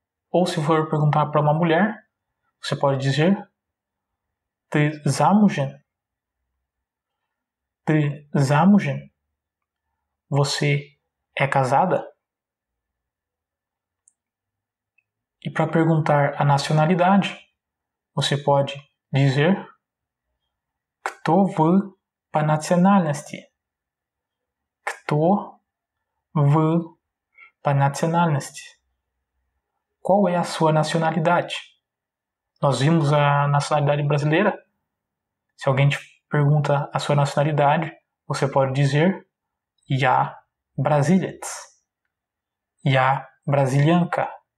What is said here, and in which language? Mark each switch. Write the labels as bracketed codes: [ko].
[pt] Ou se for perguntar para uma mulher, você pode dizer [ru] ты замужем, ты замужем, [pt] você é casada. E para perguntar a nacionalidade, você pode dizer [ru] Кто вы по национальности? Кто вы по национальности? [pt] Qual é a sua nacionalidade? Nós vimos a nacionalidade brasileira. Se alguém te pergunta a sua nacionalidade, você pode dizer [ru] Я бразилец. Я бразильянка.